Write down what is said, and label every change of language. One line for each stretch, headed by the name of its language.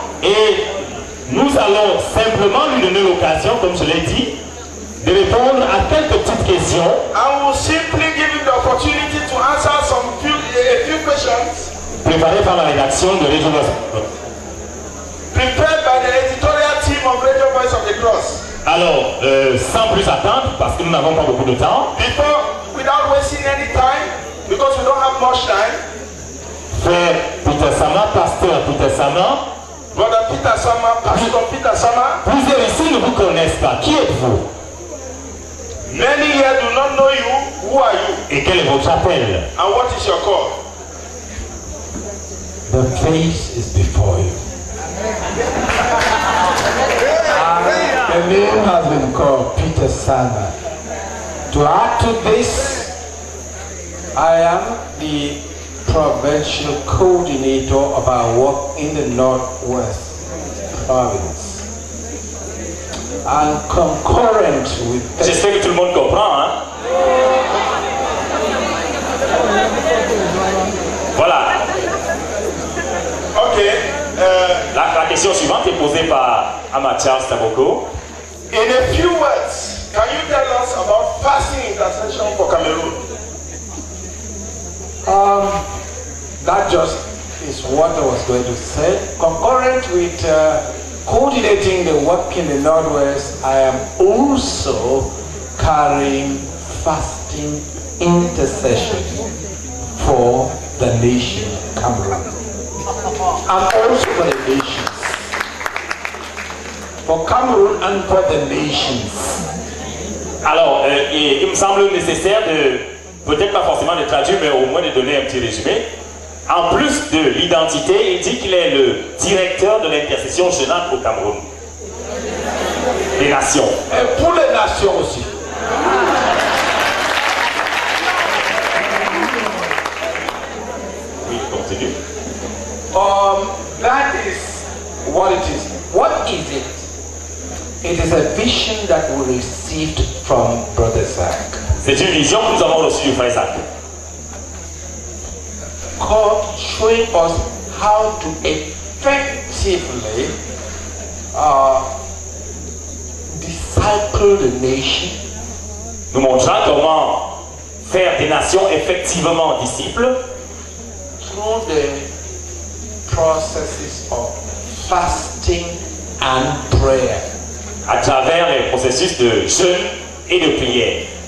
French: Et nous allons simplement lui donner l'occasion, comme je l'ai dit, de répondre à quelques petites questions.
English: I will simply give you the opportunity to answer a few questions.
French: Préparé par la rédaction de Radio Voice.
English: Prepared by the editorial team of Radio Voice of the Cross.
French: Alors, sans plus attendre, parce que nous n'avons pas beaucoup de temps.
English: Before, without wasting any time, because we don't have much time.
French: Frère Peter Sama, pasteur Peter Sama.
English: Brother Peter Sama, pasteur Peter Sama.
French: Plusieurs ici ne vous connaissent pas. Qui êtes-vous?
English: Many here do not know you. Who are you?
French: Et quel est votre appel?
English: And what is your call? The face is before you. The name has been called Peter Sama. To add to this, I am the provincial coordinator of our work in the Northwest Province. And concurrent with
French: this. J'espère que tout le monde comprend, hein? Voilà. Ok. La question suivante est posée par Amatias Taboko.
English: In a few words, can you tell us about fasting intercession for Cameroon? That just is what I was going to say. Concurrent with coordinating the work in the Northwest, I am also carrying fasting intercession for the nation of Cameroon. And also for the nations. for Cameroon and for the nations.
French: Alors, il me semble nécessaire de, peut-être pas forcément de traduire, mais au moins de donner un petit résumé. En plus de l'identité, il dit qu'il est le directeur de l'intercession jeunale pour Cameroun. Les nations. Et pour les nations aussi. Oui, continue.
English: That is what it is. What is it? It is a vision that we received from Brother Zach.
French: C'est une vision que nous avons reçue du frère Zach.
English: God showing us how to effectively disciple the nation.
French: Nous montrant comment faire des nations effectivement disciples.
English: Through the processes of fasting and prayer.
French: À travers les processus de jeûne et de prière.